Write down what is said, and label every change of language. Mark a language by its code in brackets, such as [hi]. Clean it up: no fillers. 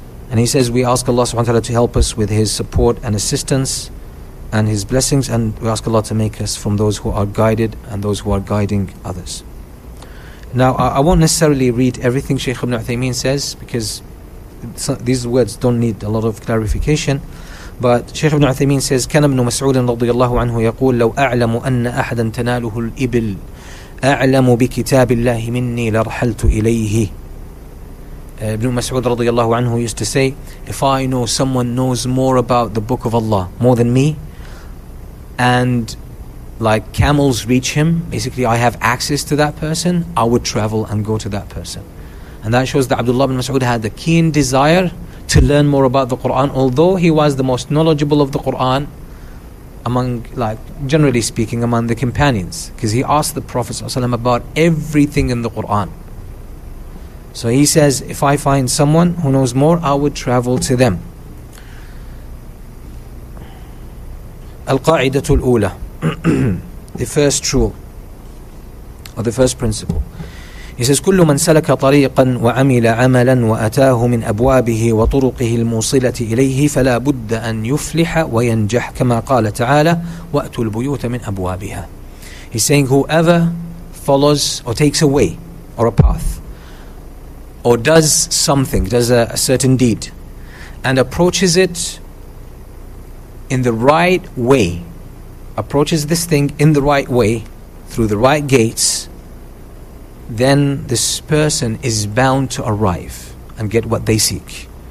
[en] And he says, we ask Allah subhanahu wa ta'ala to help us with his support and assistance and his blessings, and we ask Allah to make us from those who are guided and those who are guiding others. Now, I won't necessarily read everything Shaykh Ibn Uthaymeen says, because these words don't need a lot of clarification. But Shaykh ibn Uthaymeen says, [ar] كان ابن مسعود رضي الله عنه يقول لو أعلم أن أحدا تناله الإبل أعلم بكتاب الله مني لرحلت إليه. [en] Ibn Mas'ud [ar] رضي الله عنه [en] used to say, if I know someone knows more about the book of Allah, more than me, and like camels reach him, basically I have access to that person, I would travel and go to that person. And that shows that Abdullah ibn Mas'ud had a keen desire to learn more about the Qur'an, although he was the most knowledgeable of the Qur'an among, like, generally speaking, among the companions. Because he asked the Prophet ﷺ about everything in the Qur'an. So he says, if I find someone who knows more, I would travel to them. [ar] القاعدة الأولى, [en] the first rule, or the first principle. He says, [ar] كل من سلك طريقا وعمل عملا وأتاه من أبوابه وطرقه الموصلة إليه فلا بد أن يفلح وينجح كما قال تعالى وأتوا البيوت من أبوابها. [en] He's saying, whoever follows or takes a way or a path or does something, does a certain deed and approaches it in the right way, approaches this thing in the right way through the right gates, then this person is bound to arrive and get what they seek.